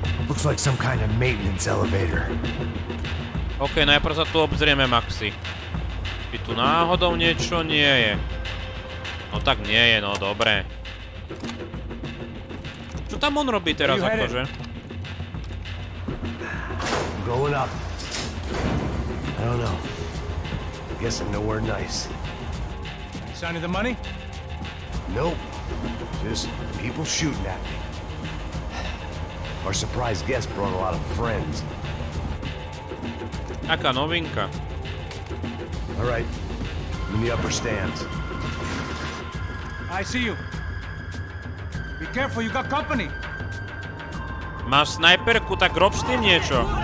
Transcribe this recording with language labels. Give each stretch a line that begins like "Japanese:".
English: Looks like some kind of maintenance elevator.
Slovak: OK, najprv sa tu obzrieme, Maxi. Či tu náhodou niečo nie je. No tak nie je, no dobre. Čo tam on robí teraz akože?
English: Going up. I don't know. Guess I'm nowhere nice. Signing the money? Nope. Just people shooting at me. Our surprise guest brought a lot of friends. Aká novinka. All right. In the upper stands. I see you. Be careful, you got company.
Slovak: Máš snajperku, tak rob s tým niečo.